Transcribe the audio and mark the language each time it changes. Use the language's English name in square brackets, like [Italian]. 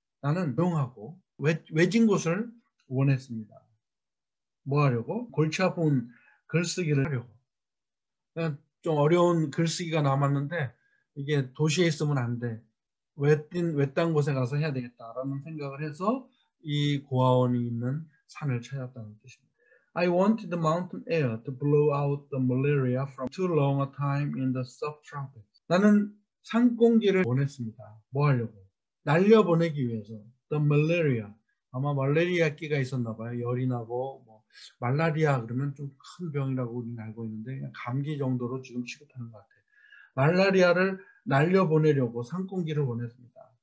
[Korean] 나는 조용하고 외진 곳을 원했습니다. 뭐 하려고? 골치 아픈 글쓰기를 하려고. 그냥 좀 어려운 글쓰기가 남았는데 이게 도시에 있으면 안 돼. 외딴 곳에 가서 해야 되겠다라는 생각을 해서 이 고아원이 있는 산을 찾았다는 뜻입니다. [English] I wanted the mountain air to blow out the malaria from too long a time in the subtropics. [Korean] 나는 산 공기를 원했습니다. 뭐 하려고? 날려보내기 위해서. [English] The malaria. [Korean] 아마 말라리아끼가 있었나 봐요. 열이 나고, 뭐, 말라리아 그러면 좀큰 병이라고 우리는 알고 있는데, 그냥 감기 정도로 지금 취급하는 것 같아요. 말라리아를 날려보내려고 산공기를 보냈습니다.